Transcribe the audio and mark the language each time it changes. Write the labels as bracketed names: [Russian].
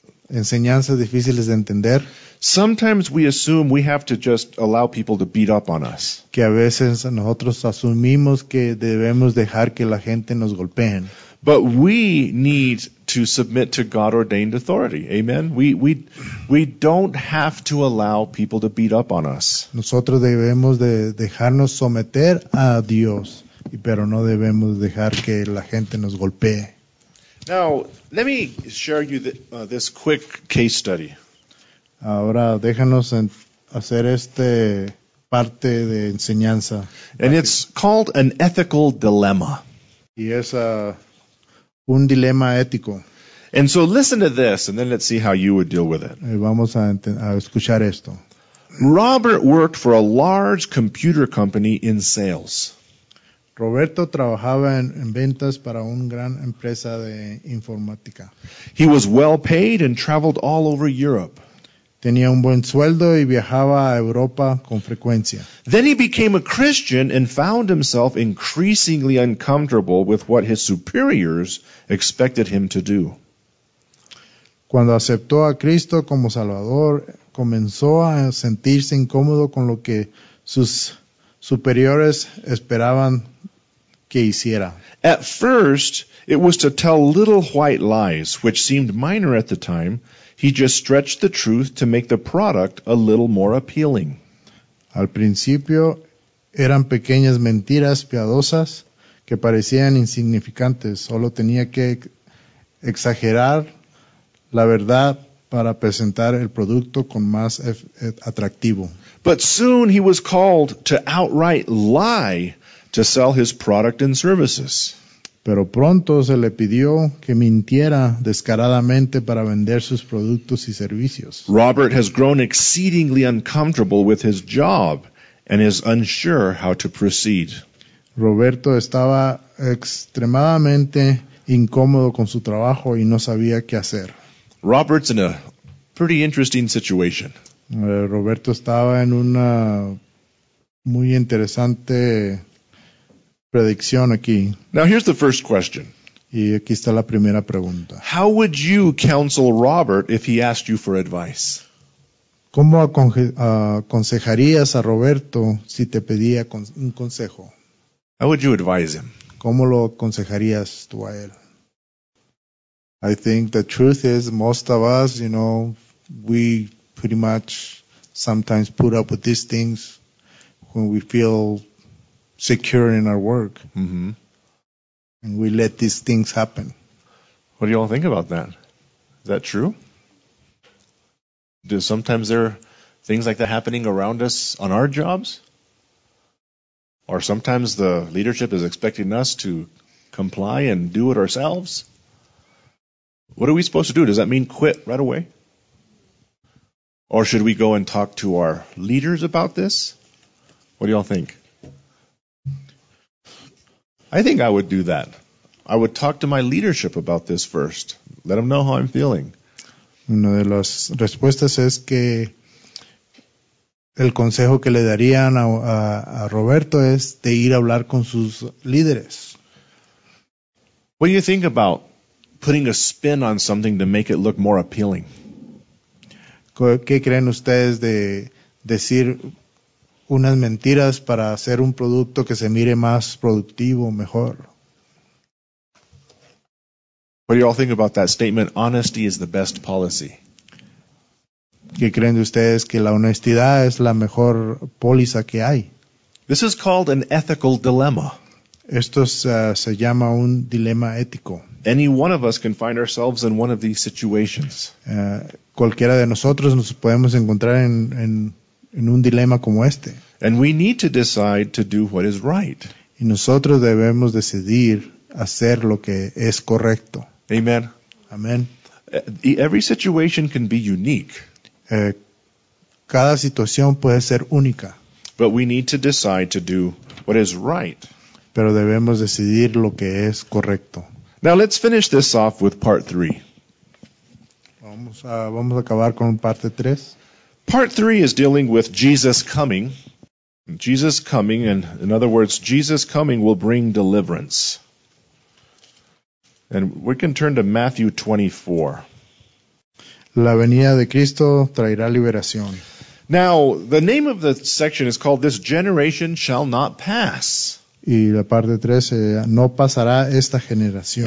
[Spanish] Enseñanzas difíciles de entender. [English] Sometimes we assume we have to just allow people to beat up on us. [Spanish] Que a veces nosotros asumimos que debemos dejar que la gente nos golpeen. [English] But we need to submit to God-ordained authority. Amen. We don't have to allow people to beat up on us. [Spanish] Nosotros debemos de dejarnos someter a Dios, pero no debemos dejar que la gente nos golpee. [English] Now, let me share you this quick case study. [Spanish] Ahora déjanos hacer este parte de enseñanza. [English] And it's called an ethical dilemma. [Spanish] Y es un dilema ético. [English] And so listen to this, and then let's see how you would deal with it. [Spanish] Vamos a escuchar esto. [English] Robert worked for a large computer company in sales. [Spanish] Roberto trabajaba en ventas para una gran empresa de informática. [English] He was well paid and traveled all over Europe. [Spanish] Tenía un buen sueldo y viajaba a Europa con frecuencia. [English] Then he became a Christian and found himself increasingly uncomfortable with what his superiors expected him to do. [Spanish] Cuando aceptó a Cristo como Salvador, comenzó a sentirse incómodo con lo que sus superiores esperaban que hiciera. [English] At first, it was to tell little white lies, which seemed minor at the time. He just stretched the truth to make the product a little more appealing. [Spanish] Al principio, eran pequeñas mentiras piadosas que parecían insignificantes. Solo tenía que exagerar la verdad para presentar el producto con más atractivo. [English] But soon he was called to outright lie to sell his product and services. [Spanish] Pero pronto se le pidió que mintiera descaradamente para vender sus productos y servicios. [English] Robert has grown exceedingly uncomfortable with his job and is unsure how to proceed. [Spanish] Roberto estaba extremadamente incómodo con su trabajo y no sabía qué hacer. [English] Robert's in a pretty interesting situation. [Spanish] Roberto estaba en una muy interesante predicción aquí. [English] Now here's the first question. [Spanish] Y aquí está la primera pregunta. [English] How would you counsel Robert if he asked you for advice? [Spanish] ¿Cómo aconsejarías a Roberto si te pedía un consejo? [English] How would you advise him? [Spanish] ¿Cómo lo aconsejarías tú a él? [English] I think the truth is most of us, you know, we pretty much sometimes put up with these things when we feel secure in our work. Mm-hmm. And we let these things happen. What do you all think about that? Is that true? Do sometimes there are things like that happening around us on our jobs? Or sometimes the leadership is expecting us to comply and do it ourselves? What are we supposed to do? Does that mean quit right away? Or should we go and talk to our leaders about this? What do y'all think? I think I would do that. I would talk to my leadership about this first. Let them know how I'm feeling. [Spanish] Una de las respuestas es que el consejo que le darían a Roberto es de ir a hablar con sus líderes. [English] What do you think about putting a spin on something to make it look more appealing? [Spanish] ¿Qué creen ustedes de decir unas mentiras para hacer un producto que se mire más productivo, mejor? [English] What do you all think about that statement? Honesty is the best policy. [Spanish] ¿Qué creen de ustedes que la honestidad es la mejor póliza que hay? [English] This is called an ethical dilemma. [Spanish] Esto es, se llama un dilema ético. [English] Any one of us can find ourselves in one of these situations. [Spanish] Cualquiera de nosotros nos podemos encontrar en un dilema como este. [English] And we need to decide to do what is right. [Spanish] Y nosotros debemos decidir hacer lo que es correcto. [English] Amen. [Spanish] Amen. [English] Every situation can be unique. [Spanish] Cada situación puede ser única. [English] But we need to decide to do what is right. [Spanish] Pero debemos decidir lo que es correcto. [English] Now let's finish this off with part 3. [Spanish] Vamos a acabar con parte 3. [English] Part 3 is dealing with Jesus coming. Jesus coming, and in other words, Jesus coming will bring deliverance. And we can turn to Matthew 24. [Spanish] La venida de Cristo traerá liberación. [English] Now, the name of the section is called This Generation Shall Not Pass. [Spanish] Y la parte 13, no pasará esta generación.